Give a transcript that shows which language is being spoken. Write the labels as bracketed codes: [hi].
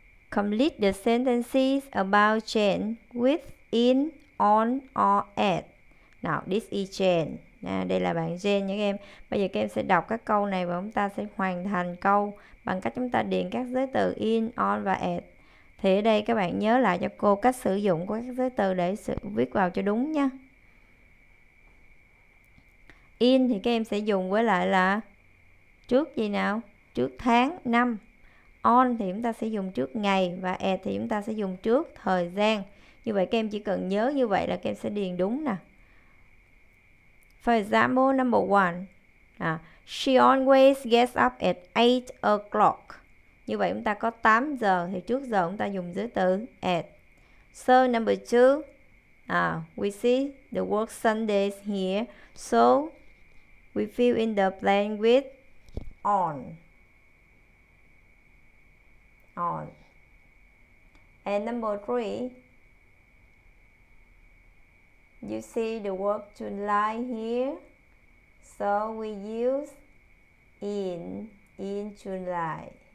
[en] Complete the sentences about Jane with in, on, or at. Nào, this is Jane. [vi] À, đây là bạn Jane nha các em. Bây giờ các em sẽ đọc các câu này và chúng ta sẽ hoàn thành câu bằng cách chúng ta điền các giới từ in, on và at. Thì ở đây các bạn nhớ lại cho cô cách sử dụng của các giới từ để viết vào cho đúng nha. In thì các em sẽ dùng với lại là trước gì nào? Trước tháng, năm. On thì chúng ta sẽ dùng trước ngày và at thì chúng ta sẽ dùng trước thời gian. Như vậy các em chỉ cần nhớ như vậy là các em sẽ điền đúng nè. [en] For example, number 1, she always gets up at 8 o'clock. [vi] Như vậy chúng ta có 8 giờ, thì trước giờ chúng ta dùng giới từ at. [en] So number 2, we see the work Sundays here, so we fill in the blank with on. On. And number 3, you see the word July here, so we use in July.